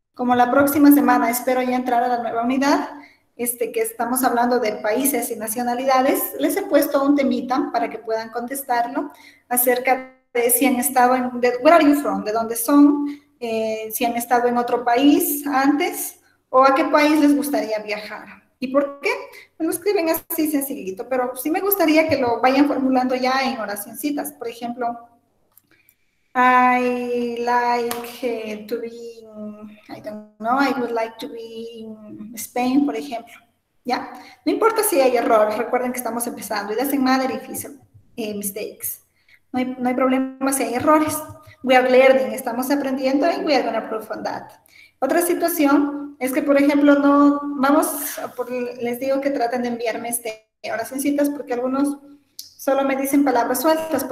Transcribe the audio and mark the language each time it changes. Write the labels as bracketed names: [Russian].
[Spanish] Como la próxima semana espero ya entrar a la nueva unidad, este, que estamos hablando de países y nacionalidades, les he puesto un temita para que puedan contestarlo acerca de si han estado en, de, [English] where are you from, [Spanish] de dónde son, si han estado en otro país antes, o a qué país les gustaría viajar. ¿Y por qué? Me lo escriben así sencillito, pero sí me gustaría que lo vayan formulando ya en oracioncitas. Por ejemplo, [English] I like to be in, I don't know, I would like to be in Spain, [Spanish] por ejemplo. ¿Ya? No importa si hay error, recuerden que estamos empezando. [English] It doesn't matter if it's mistakes. [Spanish] No hay problema si hay errores. [English] We are learning, [Spanish] estamos aprendiendo y [English] we are going to improve on that. [Spanish] Otra situación es que, por ejemplo, no vamos, por, les digo que traten de enviarme este oracioncitas porque algunos solo me dicen palabras sueltas.